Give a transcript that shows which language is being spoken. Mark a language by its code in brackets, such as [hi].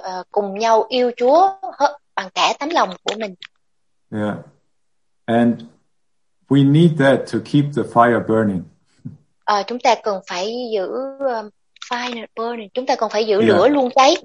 [vi] cùng nhau yêu Chúa bằng cả tấm lòng của mình. [en] Yeah. And we need that to keep the fire burning. [vi] Chúng ta cần phải giữ [en] fire burning. [vi] Chúng ta cần phải giữ lửa luôn cháy.